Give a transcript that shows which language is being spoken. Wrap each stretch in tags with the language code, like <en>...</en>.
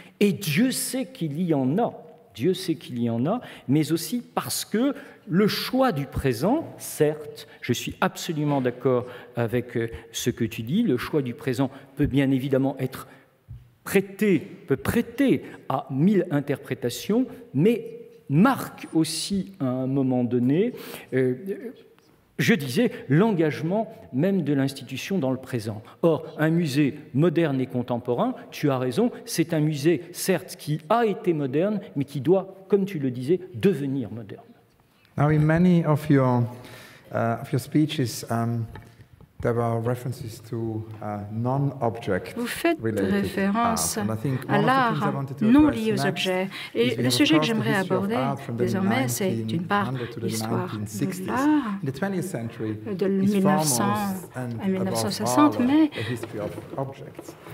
<fr>et Dieu sait qu'il y en a, Dieu sait qu'il y en a, mais aussi parce que le choix du présent, certes, je suis absolument d'accord avec ce que tu dis, le choix du présent peut bien évidemment être prêté, peut prêter à mille interprétations, mais marque aussi à un moment donné, je disais, l'engagement même de l'institution dans le présent. Or, un musée moderne et contemporain, tu as raison, c'est un musée, certes, qui a été moderne, mais qui doit, comme tu le disais, devenir moderne.</fr> <en>Now, in many of your speeches, there were references to non-object related art.</en> <fr>Vous faites référence à l'art non lié aux objets. Et le sujet que j'aimerais aborder désormais, c'est d'une part l'histoire de l'art</fr> <en>in the 20th century,</en> <fr>de 1900 à 1960, mais</fr> <en>a history of objects.</en>